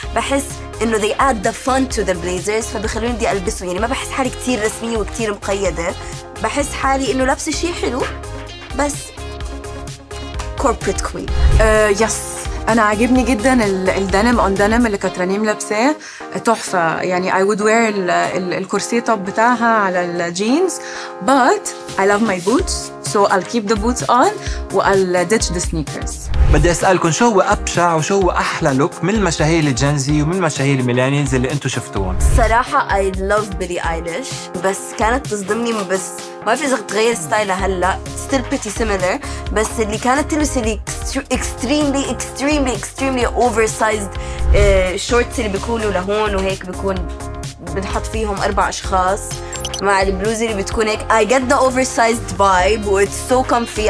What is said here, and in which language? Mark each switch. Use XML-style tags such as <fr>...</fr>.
<ar>بحس انه</ar> <en>they add the fun to the blazers،</en> <ar>فبخلوني بدي البسه يعني. ما بحس حالي كتير رسمية وكتير مقيدة، بحس حالي انه لابسه شيء حلو بس</ar> <en>corporate queen.</en> <ar>Yes، أنا عاجبني جدا الدنم on denim اللي كانت رنيم لابساه، تحفة يعني.</ar> <en>I would wear الكورسيه top</en> <ar>بتاعها على الجينز،</ar> <en>but I love my boots so I'll keep the boots on و I'll ditch the sneakers.</en> <ar>بدي أسألكم، شو هو أبشع وشو هو أحلى لوك من المشاهير الجنزي ومن المشاهير الميلانينز اللي أنتوا شفتوهم؟ صراحة</ar> <en>I love Billie Eilish،</en> <ar>بس كانت تصدمني، بس ما في إذا تغير ستايلها هلا،</ar> <en>still pretty similar.</en> <ar>بس اللي كانت تلبس اللي</ar> <en>extremely extremely extremely oversized shorts</en> <ar>اللي بيكونوا لهون وهيك، بيكون بنحط فيهم أربع أشخاص، مع البلوزة اللي بتكون هيك</ar> <en>I get the oversized vibe and it's so comfy.</en>